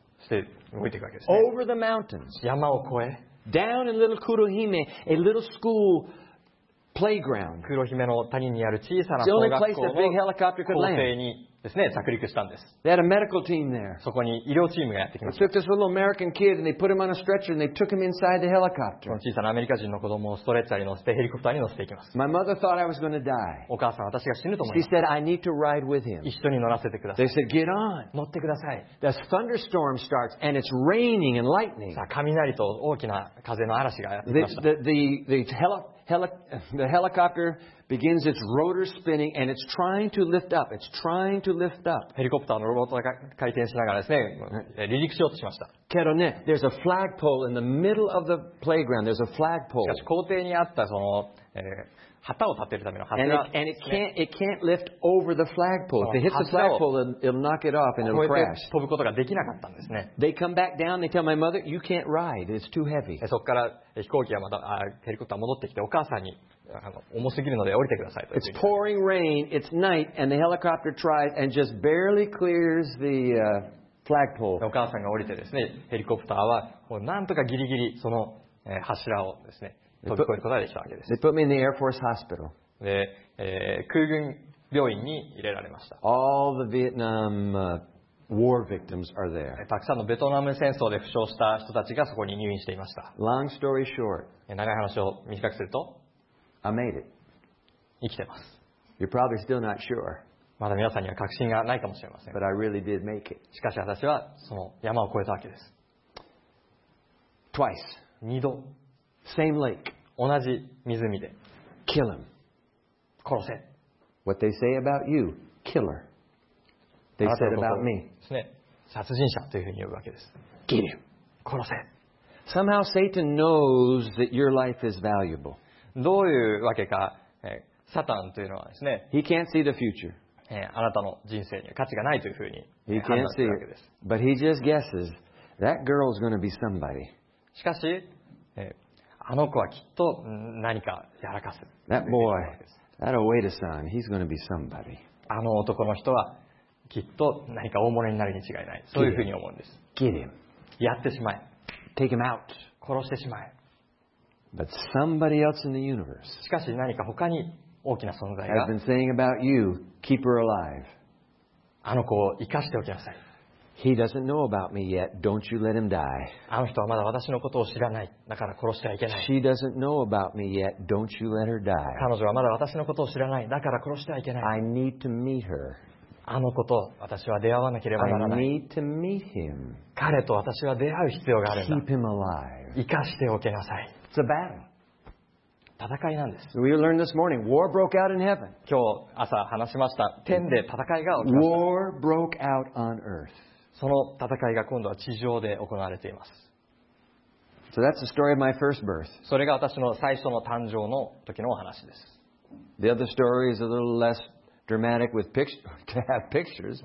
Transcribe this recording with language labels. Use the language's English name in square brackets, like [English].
[Japanese] して動いていくわけですね。 [English] Over the mountains. [Japanese] 山を越え。 [English] Down in little Kurohime, a little school playground. [Japanese] 黒姫の谷にある小さな小学校の校庭にですね、着陸したんです。 [English] They had a medical team there. [Japanese] そこに医療チームがやってきました。 [English] They took this little American kid and they put him on a stretcher and they took him inside the helicopter. [Japanese] この小さなアメリカ人の子供をストレッチャーに乗せてヘリコプターに乗せていきます。 [English] My mother thought I was going to die. [Japanese] お母さん、私が死ぬと思います。 [English] She said, I need to ride with him. [Japanese] 一緒に乗らせてください。 [English] They said, get on. [Japanese] 乗ってください。 [English] The thunderstorm starts and it's raining and lightning. [Japanese] さあ、雷と大きな風の嵐がやってきました。 [English] The helicopter begins its rotor spinning and it's trying to lift up. It's trying to lift up. [Japanese] ヘリコプターのロボットが回転しながらですね、離陸しようとしました。けどね、 [English] there's a flagpole in the middle of the playground. There's a flagpole. [Japanese] しかし校庭にあったその、旗を立てるための旗が、 [English] and it can't lift over the flagpole. If it hits the flagpole, it'll knock it off and it'll crash. [Japanese] 飛ぶことができなかったんですね。 [English] They come back down. They tell my mother, "You can't ride. It's too heavy." [Japanese] そこから飛行機はまたヘリコプター戻ってきて、お母さんに重すぎるので降りてくださいと。 [English] It's pouring rain. It's night, and the helicopter tries and just barely clears the flagpole. [Japanese] お母さんが降りてですね、ヘリコプターはもうなんとかギリギリその柱をですね。 [English] They put me in the Air Force Hospital. [Japanese] で、空軍病院に入れられました。 [English] All the Vietnam war victims are there. [Japanese] たくさんのベトナム戦争で負傷した人たちがそこに入院していました。 [English] Long story short. [Japanese] 長い話を短くすると、 [English] I made it. [Japanese] 生きてます。 [English] You're probably still not sure. [Japanese] まだ皆さんには確信がないかもしれません。 [English] But I really did make it. [Japanese] しかし私はその山を越えたわけです。 [English] Twice. [Japanese] 二度。 [English] Same lake. [Japanese] 同じ湖で。 [English] Kill him. [Japanese] 殺せ。 [English] What they say about you, killer. They said about me. [Japanese] ですね。殺人者というふうに呼ぶわけです。 [English] Kill him. [Japanese] 殺せ。 [English] Somehow Satan knows that your life is valuable. [Japanese] どういうわけか、サタンというのはですね。 [English] He can't see the future. [Japanese] あなたの人生には価値がないというふうに判断するわけです。 [English] He can't see. But he just guesses that girl's going to be somebody. [Japanese] しかし、あの子はきっと何かやらかす。 [English] That boy, that Oweda son, he's going to be somebody. [Japanese] あの男の人はきっと何か大物になるに違いない。そういうふうに思うんです。 [English] Get him. [Japanese] やってしまえ。 [English] Take him out. [Japanese] 殺してしまえ。 [English] But somebody else in the universe. [Japanese] しかし何か他に大きな存在が。 [English] I've been saying about you, keep her alive. [Japanese] あの子を生かしておきなさい。 [English] He doesn't know about me yet. Don't you let him die. [Japanese] あの人はまだ私のことを知らない。だから殺してはいけない。 [English] She doesn't know about me yet. Don't you let her die. [Japanese] 彼女はまだ私のことを知らない。だから殺してはいけない。 [English] I need to meet her. [Japanese] あの子と私は出会わなければならない。 [English] I need to meet him. [Japanese] 彼と私は出会う必要があるんだ。 [English] Keep him alive. [Japanese] 生かしておけなさい。 [English] It's a battle. [Japanese] 戦いなんです。 [English] We learned this morning. War broke out in heaven. [Japanese] 今日朝話しました。天で戦いが起きました。 [English] War broke out on earth. [Japanese] その戦いが今度は地上で行われています。 [English] So、that's the story of my first birth. [Japanese] それが私の最初の誕生の時のお話です。 [English] The other story is a little less dramatic with pictures.